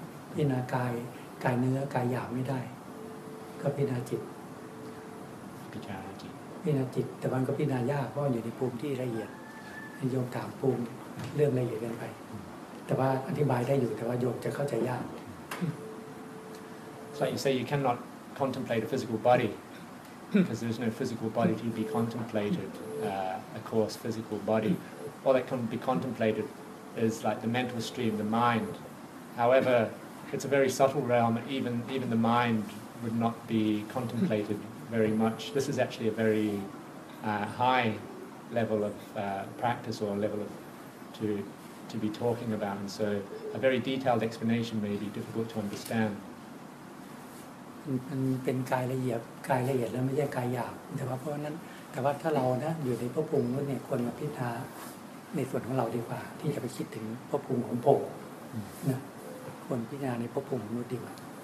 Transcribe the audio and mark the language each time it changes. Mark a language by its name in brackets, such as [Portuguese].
[Thai] พิจารณากายเนื้อกายหยาบไม่ได้ก็พิจารณาจิต พิจารณาจิต พิจารณาจิตแต่มันก็พิจารณายากเพราะอยู่ในภูมิที่ละเอียดโยมถามภูมิเรื่องละเอียดกันไปแต่ว่าอธิบายได้อยู่แต่ว่าโยมจะเข้าใจยาก [English] So you say you cannot contemplate a physical body because there's no physical body to be contemplated a coarse physical body all that can be contemplated is like the mental stream the mind however it's a very subtle realm even the mind would not be contemplated very much this is actually a very high level of practice or level of to be talking about and so a very detailed explanation may be difficult to understand [Thai] มันเป็นกายละเอียดกายละเอียดแล้วไม่ใช่กายหยาบแต่ว่าเพราะนั้นแต่ว่าถ้าเรานะอยู่ในภพภูมิเนี่ยควรมาพิจารณาในส่วนของเราดีกว่าที่จะไปคิดถึงภพภูมิของผมนะควรพิจารณาในภพภูมิของมนุษย์ดีกว่า